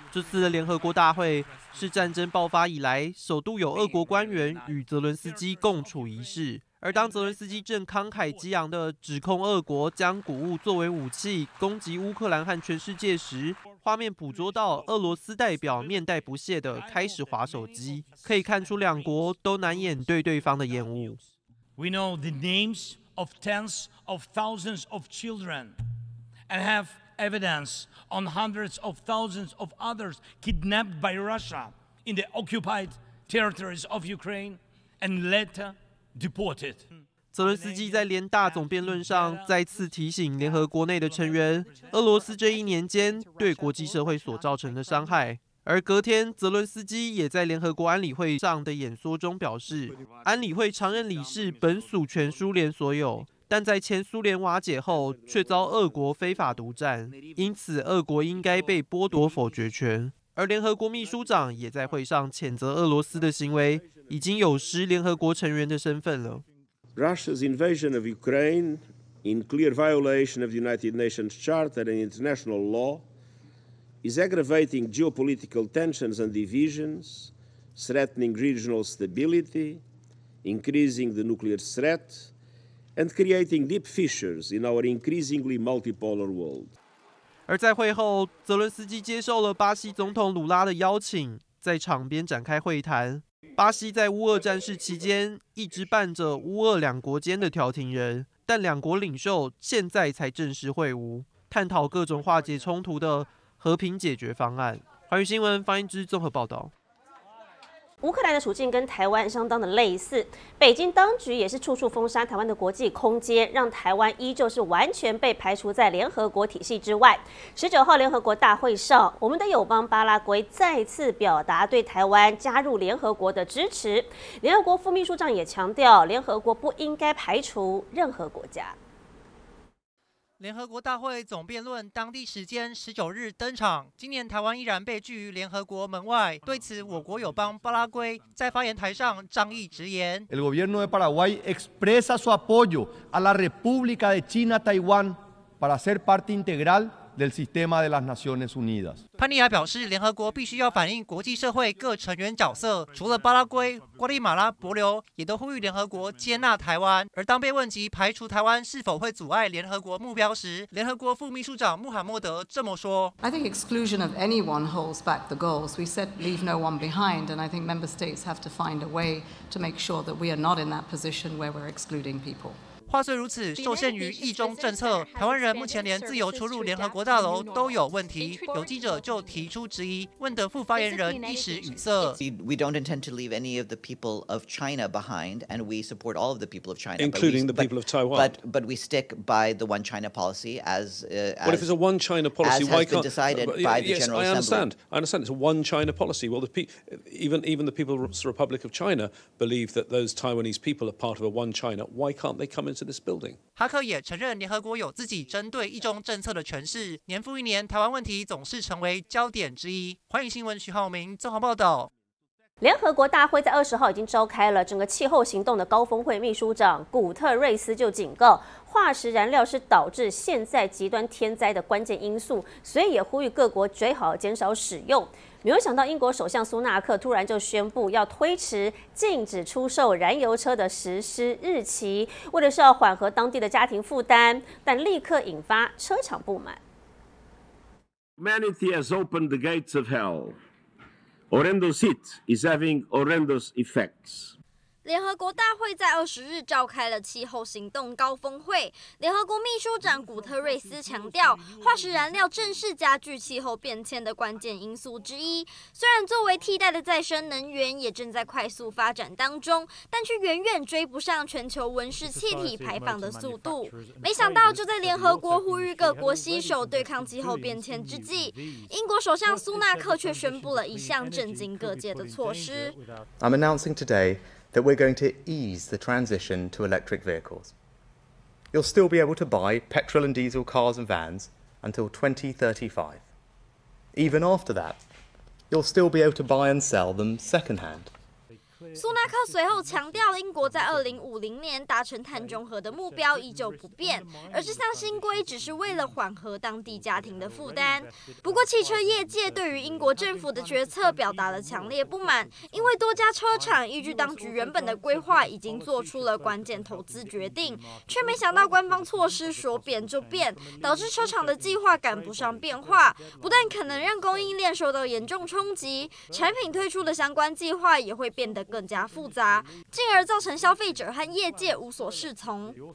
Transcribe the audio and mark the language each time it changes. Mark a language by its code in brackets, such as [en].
[zh] 这次的联合国大会是战争爆发以来首度有俄国官员与泽伦斯基共处一室，而当泽连斯基正慷慨激昂地指控俄国将谷物作为武器攻击乌克兰和全世界时，画面捕捉到俄罗斯代表面带不屑地开始滑手机，可以看出两国都难掩对对方的厌恶。 [en] We know the names of tens of thousands of children and have evidence on hundreds of thousands of others kidnapped by Russia in the occupied territories of Ukraine and later deported. [zh] 泽连斯基在联大总辩论上再次提醒联合国内的成员，俄罗斯这一年间对国际社会所造成的伤害。而隔天，泽伦斯基也在联合国安理会上的演说中表示，安理会常任理事本属全苏联所有，但在前苏联瓦解后却遭俄国非法独占，因此俄国应该被剥夺否决权。而联合国秘书长也在会上谴责俄罗斯的行为已经有失联合国成员的身份了。 [en] Russia's invasion of Ukraine in clear violation of the United Nations Charter and international lawis aggravating geopolitical tensions and divisions, threatening regional stability, increasing the nuclear threat, and creating deep fissures in our increasingly multipolar world. [zh] 而在会后，泽伦斯基接受了巴西总统鲁拉的邀请，在场边展开会谈。巴西在乌俄战事期间一直扮着乌俄两国间的调停人，但两国领袖现在才正式会晤，探讨各种化解冲突的和平解决方案。环宇新闻方一之综合报道。乌克兰的处境跟台湾相当的类似，北京当局也是处处封杀台湾的国际空间，让台湾依旧是完全被排除在联合国体系之外。 19号联合国大会上，我们的友邦巴拉圭再次表达对台湾加入联合国的支持。联合国副秘书长也强调，联合国不应该排除任何国家。联合国大会总辩论当地时间19日登场。今年台湾依然被拒于联合国门外，对此我国友邦巴拉圭在发言台上仗义直言 [es] ：“El gobierno de Paraguay expresa su apoyo a la República de China Taiwán para ser parte integral del sistema de las Naciones Unidas。” [zh] 潘尼亚表示，联合国必须要反映国际社会各成员角色，除了巴拉圭、瓜地马拉、伯琉，也都呼吁联合国接纳台湾。而当被问及排除台湾是否会阻碍联合国目标时，联合国副秘书长穆罕默德这么说 [en] ：“I think exclusion of anyone holds back the goals. We said leave no one behind, and I think member states have to find a way to make sure that we are not in that position where we're excluding people.” [zh] 话虽如此，受限于疫中政策，台湾人目前连自由出入联合国大楼都有问题。有记者就提出质疑，问得副发言人一时语塞。 [en] We don't intend to leave any of the people of China behind, and we support all of the people of China, including the people of Taiwan. But we stick by the one China policy as. What if it's a one China policy? Why can't? Been decided by the General Assembly. I understand. I understand. It's a one China policy. Well, even the People's Republic of China believe that those Taiwanese people are part of a one China. Why can't they come in? [zh] 哈克也承认联合国有自己针对一中政策的诠释，年复一年台湾问题总是成为焦点之一。欢迎新闻徐浩明综合报道。联合国大会在20号已经召开了整个气候行动的高峰会，秘书长古特瑞斯就警告，化石燃料是导致现在极端天灾的关键因素，所以也呼吁各国最好减少使用。没有想到英国首相苏纳克突然就宣布要推迟禁止出售燃油车的实施日期，为的是要缓和当地的家庭负担，但立刻引发车厂不满。 [en] Humanity has opened the gates of hell. Horrendous heat is having horrendous effects. [zh] 联合国大会在20日召开了气候行动高峰会。联合国秘书长古特瑞斯强调，化石燃料正是加剧气候变迁的关键因素之一。虽然作为替代的再生能源也正在快速发展当中，但却远远追不上全球温室气体排放的速度。没想到，就在联合国呼吁各国携手对抗气候变迁之际，英国首相苏纳克却宣布了一项震惊各界的措施。 [en] I'm announcing today. That we're going to ease the transition to electric vehicles. You'll still be able to buy petrol and diesel cars and vans until 2035. Even after that, you'll still be able to buy and sell them secondhand. [zh] 苏纳克随后强调，英国在2050年达成碳中和的目标依旧不变，而这项新规只是为了缓和当地家庭的负担。不过，汽车业界对于英国政府的决策表达了强烈不满，因为多家车厂依据当局原本的规划已经做出了关键投资决定，却没想到官方措施说变就变，导致车厂的计划赶不上变化，不但可能让供应链受到严重冲击，产品推出的相关计划也会变得更加复杂，进而造成消费者和业界无所适从。